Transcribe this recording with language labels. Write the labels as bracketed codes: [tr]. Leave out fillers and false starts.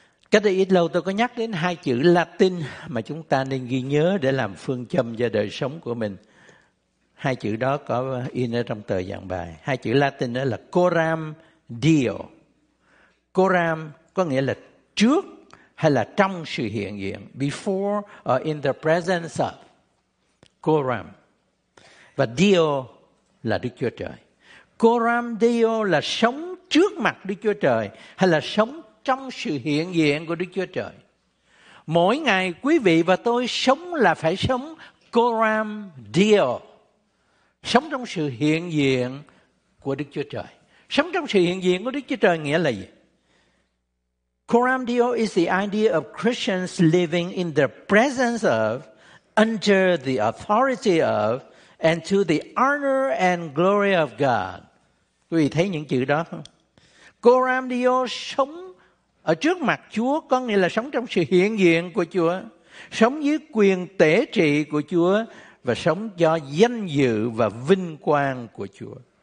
[vi] Cách đây ít lâu tôi có nhắc đến hai chữ Latin mà chúng ta nên ghi nhớ để làm phương châm cho đời sống của mình. Hai chữ đó có in ở trong tờ giảng bài. Hai chữ Latin đó là coram deo. Coram có nghĩa là trước hay là trong sự hiện diện. [en] Before or in the presence of. [vi] Coram. Và deo là Đức Chúa Trời. Coram deo là sống trước mặt Đức Chúa Trời hay là sống trong sự hiện diện của Đức Chúa Trời. Mỗi ngày quý vị và tôi sống là phải sống coram deo, sống trong sự hiện diện của Đức Chúa Trời. Sống trong sự hiện diện của Đức Chúa Trời nghĩa là gì? [en] Coram deo is the idea of Christians living in the presence of, under the authority of, and to the honor and glory of God. [vi] Quý vị thấy những chữ đó không? Coram deo, sống ở trước mặt Chúa, có nghĩa là sống trong sự hiện diện của Chúa, sống dưới quyền tể trị của Chúa và sống cho danh dự và vinh quang của Chúa.